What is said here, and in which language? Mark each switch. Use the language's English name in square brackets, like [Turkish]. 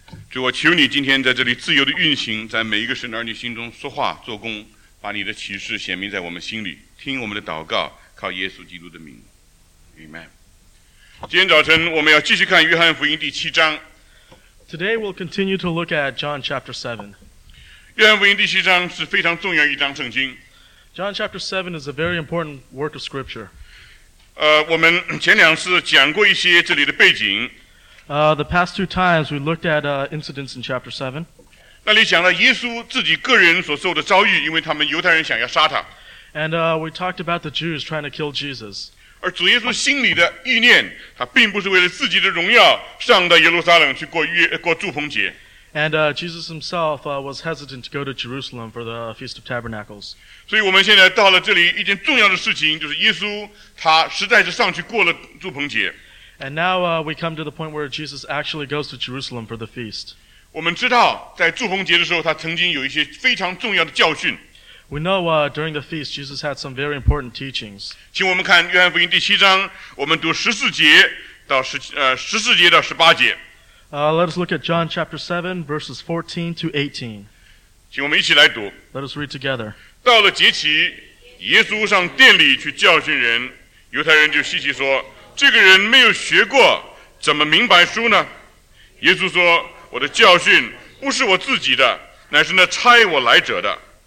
[Chinese] 主，我求你今天在这里自由的运行，在每一个神儿女心中说话做工，把你的启示显明在我们心里。听我们的祷告，靠耶稣基督的名， Amen。今天早晨，我们要继续看约翰福音第七章。 [English] Today we'll continue to look at John chapter 7. [Chinese] 约翰福音第七章是非常重要一章圣经。 [English] John chapter 7 is a very important work of scripture. [Chinese] 我们前两次讲过一些这里的背景。 [English] The past two times we looked at incidents in chapter 7. [Chinese] 那里讲了耶稣自己个人所受的遭遇，因为他们犹太人想要杀他。 [English] And we talked about the Jews trying to kill Jesus. [Chinese] 而主耶稣心里的意念，他并不是为了自己的荣耀上到耶路撒冷去过祝棚节。 [English] And Jesus himself was hesitant to go to Jerusalem for the Feast of Tabernacles. [Chinese] 所以我们现在到了这里，一件重要的事情就是耶稣他实在是上去过了祝棚节。 [English] And now we come to the point where Jesus actually goes to Jerusalem for the feast. [Chinese] 我们知道在祝棚节的时候，他曾经有一些非常重要的教训。 [English] We know during the feast, Jesus had some very important teachings. [Chinese] 请我们看约翰福音第七章，我们读十四节到十四节到十八节。 [English] Let us look at John chapter 7, verses 14 to 18. [Chinese] 请我们一起来读。 [English] Let us read together. [Chinese] 到了节期，耶稣上殿里去教训人，犹太人就稀奇说，这个人没有学过，怎么明白书呢？耶稣说，我的教训不是我自己的，乃是那差我来者的。